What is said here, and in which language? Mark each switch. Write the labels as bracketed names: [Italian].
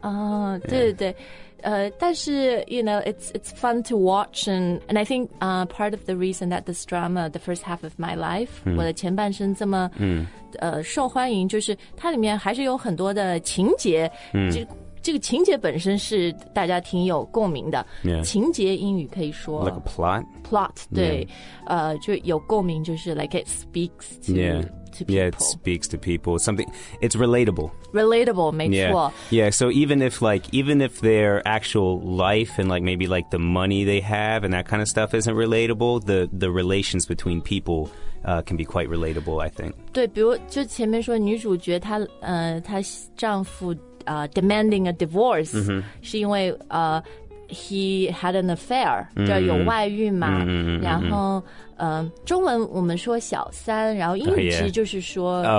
[Chinese] Oh, 对。 [English] 但是 you know it's fun to watch and I think part of the reason that this drama the first half of my life、 [Chinese] 我的前半生这么、受欢迎就是它里面还是有很多的情节、就这个情节本身是大家挺有共鸣的、 [English] yeah. [Chinese] 情节英语可以说 [English] like a plot [Chinese] plot 对、yeah. 就有共鸣就是 [English] like it speaks to、 yeah. Yeah, it speaks to people. Something, it's relatable. Relatable, 没错 yeah. yeah, so even if, like, even if their actual life and, like, maybe, like, the money they have and that kind of stuff isn't relatable, the relations between people、can be quite relatable, I think. [Chinese] 对，比如就前面说女主角她、她丈夫、 [English] demanding a divorce、 mm-hmm. [Chinese] 是因为、 [English] he had an affair, [Chinese] 就有外遇嘛、 [English] mm-hmm. [Chinese] 然后中文我们说小三然后英语其实就是说